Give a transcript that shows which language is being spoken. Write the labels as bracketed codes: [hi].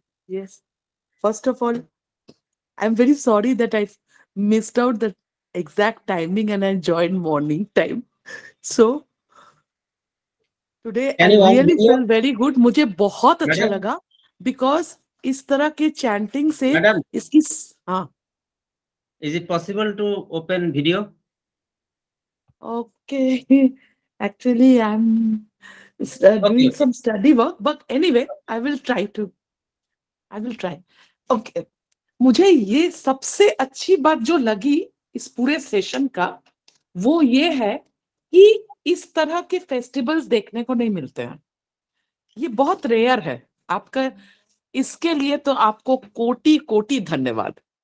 [en] Yes, first of all I am very sorry that I missed out the exact timing and I join morning time, so today I really feel very good. [hi] मुझे बहुत अच्छा लगा because इस तरह के chanting से इसकी, हाँ, [en] Is it possible to open video? Okay, actually I'm doing some study work, but anyway I will try. [hi] okay, मुझे ये सबसे अच्छी बात जो लगी इस पूरे सेशन का वो ये है कि इस तरह के फेस्टिवल्स देखने को नहीं मिलते हैं, ये बहुत रेयर है आपका, इसके लिए तो आपको कोटि कोटि धन्यवाद।